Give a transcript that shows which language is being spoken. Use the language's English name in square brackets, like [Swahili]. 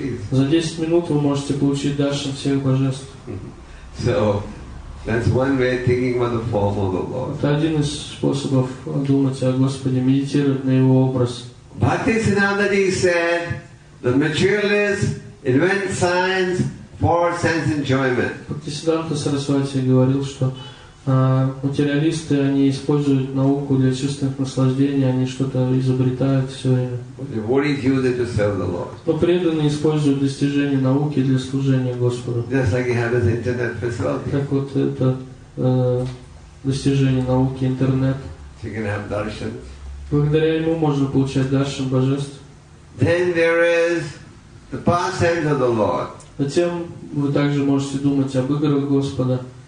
[Russian] За 10 минут вы можете получить даршан всех божеств. [English] That's one way of thinking about the form of the Lord. [Russian] Это один из способов думать о Господе, медитировать на Его образ. [English] Bhaktisiddhanta ji said, the materialist invents science for sense enjoyment. [Russian] Bhaktisiddhanta Sarasvati говорил, что материалисты, они используют науку для чувственных наслаждений, они что-то изобретают все время. [English] What is used to serve the Lord? [Russian] Но преданные используют достижения науки для служения Господу. [English] Just like you have this internet facility. [Russian] Как вот это достижение науки, интернет. [English] So you can have darshan. [Russian] Благодаря ему можно получать даршан божеств. [English] Then there is the pastimes of the Lord. [Russian] Затем вы также можете думать об играх Господа.